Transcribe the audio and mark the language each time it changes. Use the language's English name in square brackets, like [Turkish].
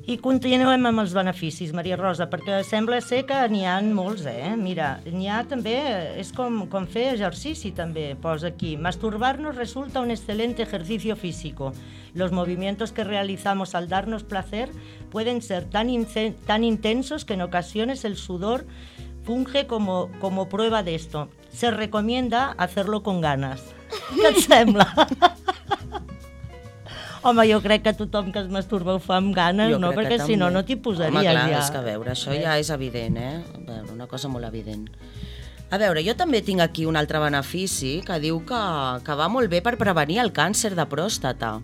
[Catalan] Continuem amb els beneficis, Maria Rosa, perquè sembla ser que n'hi ha molts, Mira, n'hi ha també, és com fer exercici també, posa aquí. [Spanish] Masturbarnos resulta un excelente ejercicio físico. Los movimientos que realizamos al darnos placer pueden ser tan intensos que en ocasiones el sudor funge como prueba de esto. se recomienda hacerlo con ganas. [Catalan] Què et sembla? Home, jo crec que tothom que es masturba ho fa amb ganes, no? Perquè si no, no t'hi posaries ja. Home, clar, és que a veure, això ja és evident, eh? Una cosa molt evident. A veure, jo també tinc aquí un altre benefici que diu que va molt bé per prevenir el càncer de pròstata.